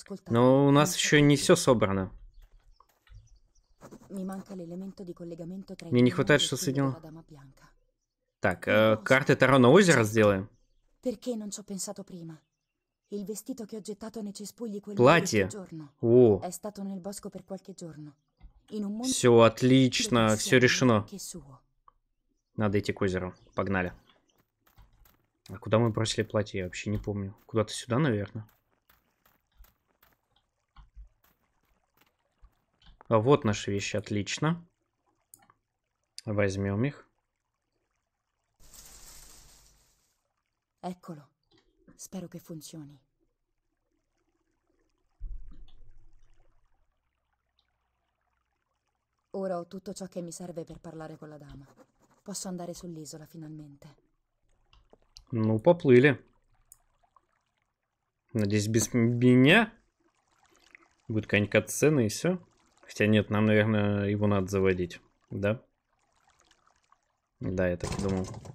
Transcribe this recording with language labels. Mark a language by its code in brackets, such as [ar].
[ru] Но у нас еще не все собрано. Мне не хватает, что соединено. Так, карты Таро на озеро сделаем. Почему я не думал раньше? [it] Il vestito che ho gettato nei cespugli quell'altro giorno. È nel bosco per qualche giorno. [ru] Все отлично, все решено. Надо идти к озеру. Погнали. А куда мы бросили платье? Я вообще не помню. Куда-то сюда, наверное. А вот наши вещи, отлично. Возьмем их. [it] Eccolo. Spero che funzioni. Ora ho tutto ciò che mi serve per parlare con la dama. Posso andare sull'isola finalmente. [ru] Ну, поплыли. Надеюсь, без меня будет какая-нибудь катсцена и все. Хотя нет, нам, наверное, его надо заводить. Да? Да, я так и думал.